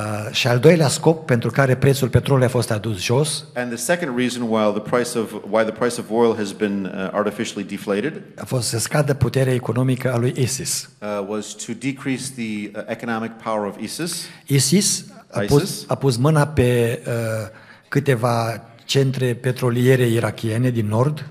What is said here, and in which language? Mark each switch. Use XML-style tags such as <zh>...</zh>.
<ro>Și al doilea scop pentru care prețul petrolului a fost adus jos.</ro> <en>And the second reason why the price of oil has been artificially deflated.</en> <ro>A fost să scadă puterea economică a lui ISIS.</ro> <en>Was to decrease the economic power of ISIS.</en> <ro>ISIS a pus mâna pe câteva centre petroliere irachiene din nord.</ro>